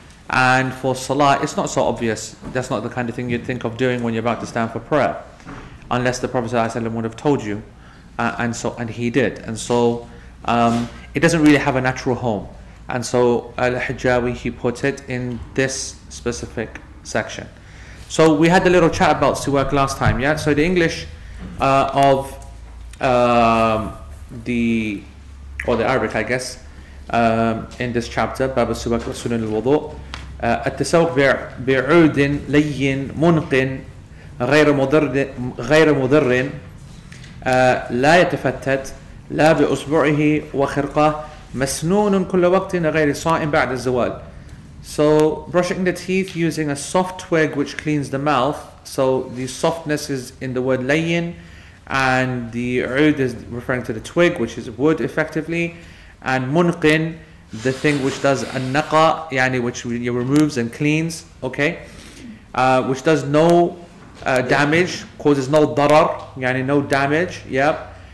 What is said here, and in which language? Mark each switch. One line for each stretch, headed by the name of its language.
English: And for salah, it's not so obvious. That's not the kind of thing you'd think of doing when you're about to stand for prayer, unless the Prophet ﷺ would have told you, and he did. And so it doesn't really have a natural home. And so Al-Hijawi, he put it in this specific section. So we had a little chat about siwak last time, yeah? So the English of the Arabic, I guess, in this chapter,
Arabic: Bab al-Siwak wa Sunan al-Wudu, التسوق بعود لين منق غير مضر لا يتفتت لا بأصبعه وخرقة مسنون كل وقت غير صائم بعد الزوال.
English: So brushing the teeth using a soft twig which cleans the mouth. So the softness is in the word layin, and the ud is referring to the twig, which is wood effectively, and munqin, the thing which does a naqa, yani which you removes and cleans, okay, which does no damage, causes no darar, yani no damage, yep.